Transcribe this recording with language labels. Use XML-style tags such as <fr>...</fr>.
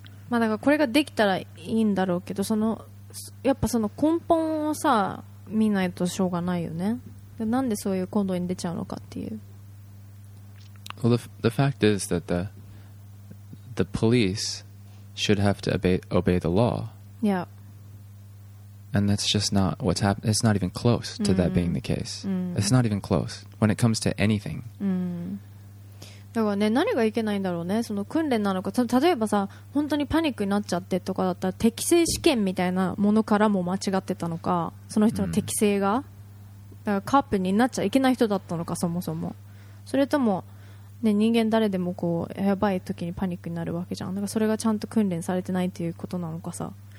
<ja>まあだからこれができたらいいんだろうけど、そのやっぱその根本をさ見ないとしょうがないよね。で、なんでそういう行動に出ちゃうのかっていう。</ja> <en>Well, the fact is that the police should have to obey the law. Yeah. And that's just not what's happened. It's not even close to that being the case. It's not even close when it comes to anything.</en> <ja>だからね、何がいけないんだろうね。その訓練なのか。例えばさ、本当にパニックになっちゃってとかだったら、適性試験みたいなものからも間違ってたのか、その人の適性が、だからカープになっちゃいけない人だったのか、そもそも。それとも、ね、人間誰でもこうやばい時にパニックになるわけじゃん。だからそれがちゃんと訓練されてないっていうことなのかさ。</ja>